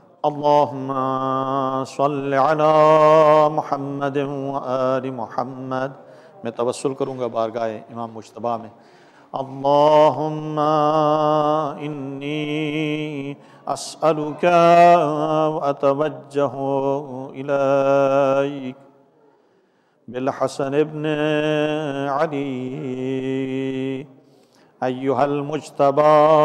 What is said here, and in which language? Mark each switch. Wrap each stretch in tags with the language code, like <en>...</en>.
<ar>اللهم صل على محمد وآل محمد.</ar> <ur>میں توسل کروں گا بارگاہ امام مجتبیٰ میں.</ur> <ar>اللهم انی اسألک واتوجہ الیک بالحسن ابن علی ایہا المجتبیٰ</ar>